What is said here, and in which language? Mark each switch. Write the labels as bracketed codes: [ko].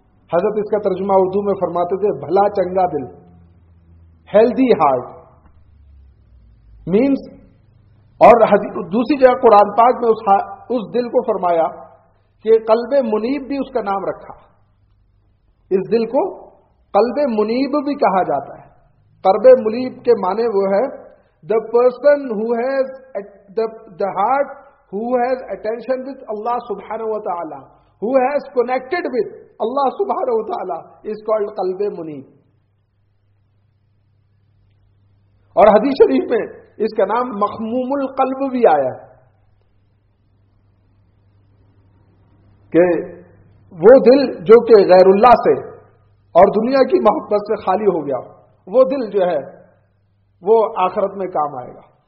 [ur] حضرت اس کا ترجمہ اردو میں فرماتے تھے بھلا چنگا دل [en] healthy heart, means [ur] اور حدیث دوسری جگہ قرآن پاک میں اس دل کو فرمایا کہ قلب منیب بھی اس کا نام رکھا. اس دل کو قلب منیب بھی کہا جاتا ہے. قلب منیب کے معنی وہ ہے [en] the person who has the heart who has attention with Allah subhanahu wa ta'ala, who has connected with Allah subhanahu wa ta'ala is called قلب منیب. [ur] اور حدیث شریف میں اس کا نام مخموم القلب بھی آیا ہے کہ وہ دل جو کہ غیر اللہ سے اور دنیا کی محبت سے خالی ہو گیا وہ دل جو ہے وہ آخرت میں کام آئے گا.